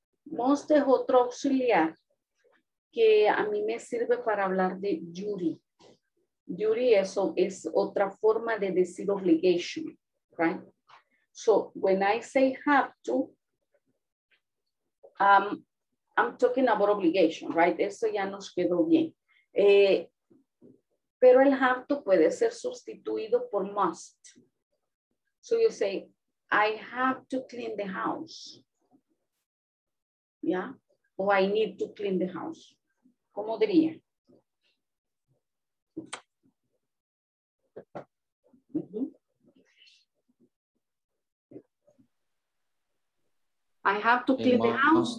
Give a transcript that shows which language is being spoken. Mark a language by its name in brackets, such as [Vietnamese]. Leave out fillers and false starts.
[Spanish] Must es otro auxiliar que a mí me sirve para hablar de duty. Duty eso es otra forma de decir obligation, right? [English] So when I say have to, I'm talking about obligation, right? [Spanish] Eso ya nos quedó bien. Pero el have to puede ser sustituido por must. [English] So you say, I have to clean the house. Yeah? Or I need to clean the house. [Spanish] ¿Cómo diría? [English] Mm-hmm. I have to clean the house.